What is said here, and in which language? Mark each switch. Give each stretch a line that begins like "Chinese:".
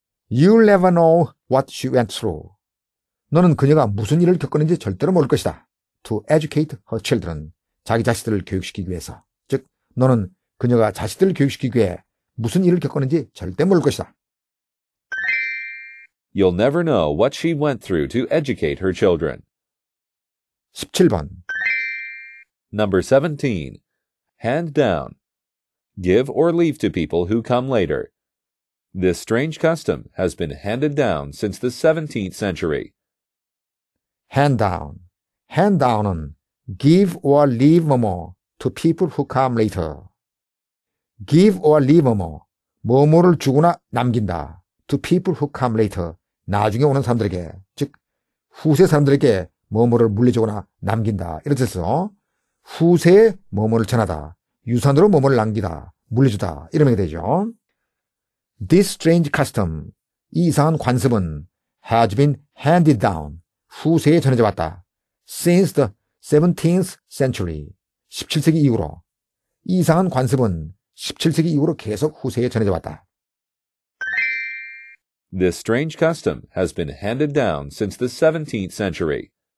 English: You'll never know what she went through.
Korean: 너는 그녀가 무슨 일을 겪었는지 절대로 모를 것이다.
English: To educate her children,
Korean: 자기 자식들을 교육시키기 위해서. 즉, 너는 그녀가 자식들을 교육시키기 위해 무슨 일을 겪었는지 절대 모를 것이다.
English: You'll never know what she went through to educate her children.
Korean: 17번
English: Number 17. Hand down. Give or leave to people who come later. This strange custom has been handed down since the 17th century. Hand down. Hand down은 give or leave more to people who come later. Give or leave more.
Korean: 뭐뭐를 주거나 남긴다.
English: To people who come later.
Korean: 나중에 오는 사람들에게. 즉, 후세 사람들에게 뭐뭐를 물려주거나 남긴다. 이런 뜻에서 후세에 뭐뭐를 전하다. 유산으로 뭐뭐를 남기다. 물려주다. 이런 의미가 되죠.
English: This strange custom.
Korean: 이 이상한 관습은
English: has been handed down.
Korean: 후세에 전해져 왔다.
English: Since the 17th century.
Korean: 17세기 이후로. 이 이상한 관습은 17세기 이후로 계속 후세에 전해져 왔다.
English: This strange custom has been handed down since the 17th century.